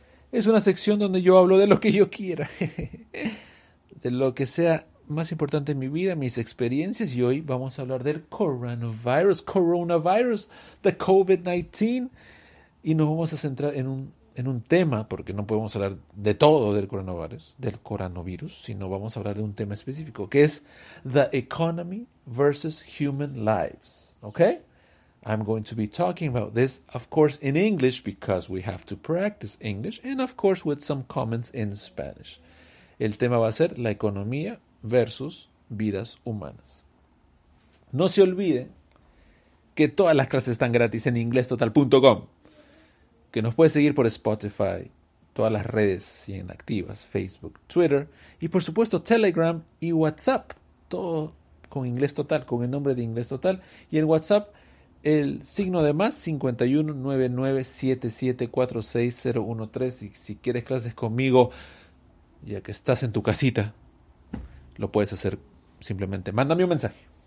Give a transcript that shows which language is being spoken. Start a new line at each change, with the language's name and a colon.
Spanish: Es una sección donde yo hablo de lo que yo quiera, de lo que sea más importante en mi vida, mis experiencias, y hoy vamos a hablar del coronavirus, the COVID-19, y nos vamos a centrar en un tema, porque no podemos hablar de todo del coronavirus, sino vamos a hablar de un tema específico, que es
English: The Economy versus Human Lives,
Spanish: okay?
English: I'm going to be talking about this, of course, in English, because we have to practice English, and of course, with some comments in Spanish.
Spanish: El tema va a ser la economía versus vidas humanas. No se olvide que todas las clases están gratis en inglestotal.com. Que nos puede seguir por Spotify, todas las redes siguen activas, Facebook, Twitter, y por supuesto Telegram y WhatsApp, todo con Inglés Total, con el nombre de Inglés Total, y el WhatsApp, el signo de más, 5199-7746013, y si quieres clases conmigo, ya que estás en tu casita, lo puedes hacer simplemente, mándame un mensaje.